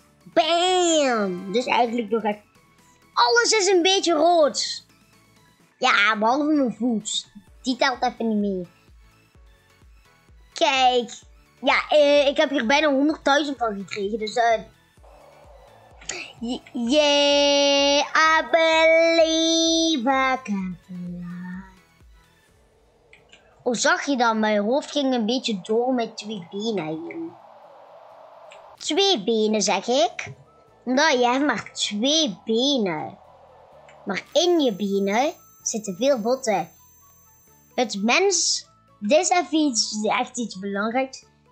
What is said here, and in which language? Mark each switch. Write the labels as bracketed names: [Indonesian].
[Dutch] Stuiteren. Bam! Dus eigenlijk nog echt... Alles is een beetje rood. Ja, behalve mijn voet. Die telt even niet mee. Kijk. Ja, ik heb hier bijna 100.000 van gekregen. [English] Dus Yeah, I believe I can fly. [Dutch] Oh, zag je dat? Mijn hoofd ging een beetje door met 2 benen heen. 2 benen, zeg ik. Omdat je hebt maar 2 benen. Maar in je benen zitten veel botten. Het mens, dit is echt iets belangrijks.